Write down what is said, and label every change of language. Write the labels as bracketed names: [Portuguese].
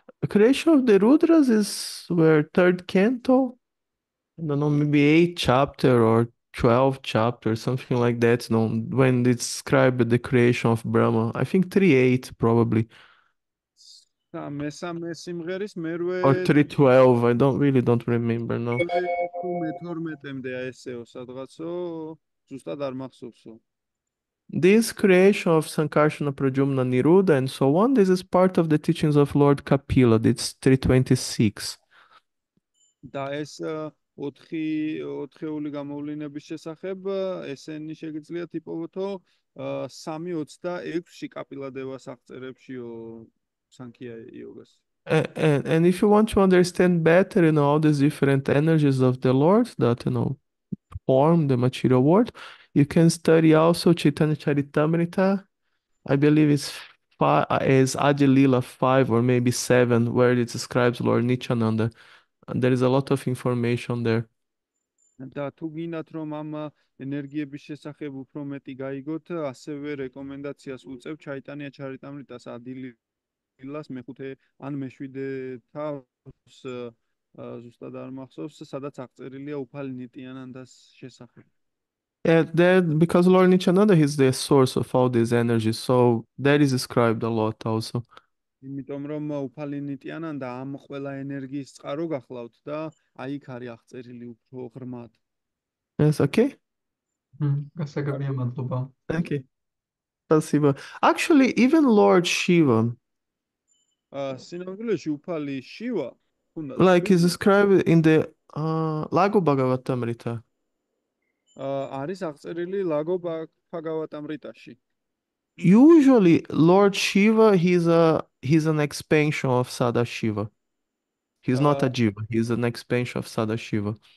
[English] Creation of the Rudras is where third canto, I don't know, maybe 8th chapter or 12th chapter, something like that, you know, when it described the creation of Brahma. I think 3:8 probably. [Georgian] მესამე სიმღერის [English] Or [Georgian] მერვე [English] 3:12, I don't really don't remember now. [Georgian] მე12-მდე ესეო სადღაცო ზუსტად არ მახსოვსო. [English] This creation of Sankarsana Pradyumna Niruddha and so on, this is part of the teachings of Lord Kapila. It's 3:26. [Georgian] და ეს 4-4-ული გამოვლინების შესახებ ესენი შეგიძლია თიპოვოთო 3:26-ში კაპილადევას აღწერებში Sankhya Yogas. [English] And if you want to understand better, you know, all these different energies of the Lord that, you know, form the material world, you can study also Chaitanya Charitamrita. I believe it's five, is Adilila 5 or maybe 7, where it describes Lord Nityananda. And there is a lot of information there. [Georgian] და თუ გინდათ რომ ამ ენერგიების შესახებ უფრო მეტი გაიგოთ, ასევე რეკომენდაციას უწევ ჩაიტანია ჩარიტამრიტას ადილი ილას მეხუთე ან მეშვიდე თავს ზუსტად არ მახსოვს, სადაც აღწერილია უფალი ნიტიანანდას შესახებ. [English] That because Lord Nityananda is the source of all these energies, so that is described a lot also. [Georgian] იმიტომ რომ უფალი ნიტიანანდა ამ ყველა ენერგიის წყარო გახლავთ და აი იქ არის აღწერილი უფრო ღრმად. [English] Yes, okay. [Georgian] კარგი. Gasagabia Madhuba. [English] Thank you. Actually, even Lord Shiva, [Georgian] სინამდვილეში უფალი შივა ჰქონდათ [English] like is [Georgian] შვილი. [English] described in the Lago Bhagavatamrita. [Georgian] არის აღწერილი ლაგო ბაგავატამრიტაში. [English] Usually, Lord Shiva, he's an expansion of Sada Shiva. He's not a Jiva, he's an expansion of Sada Shiva.